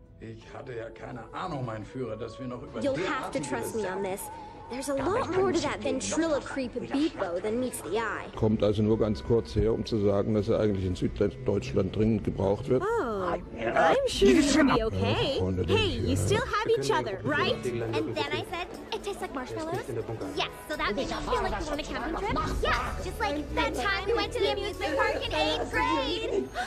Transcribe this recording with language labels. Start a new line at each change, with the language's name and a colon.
German: Ich hatte ja keine Ahnung, mein Führer, dass wir noch über
English: You'll have to trust me on this. There's a lot more to that ventriloquist Beepo than meets the eye.
German: Kommt also nur ganz kurz her, um zu sagen, dass er eigentlich in Süddeutschland dringend gebraucht wird.
English: Oh, I'm sure you're gonna be okay. Hey, you still have each other, right? And then I said, it tastes like marshmallows. Yes, so that makes you feel like you want a camping trip. Yes, just like that time we went to the amusement park in 8th grade.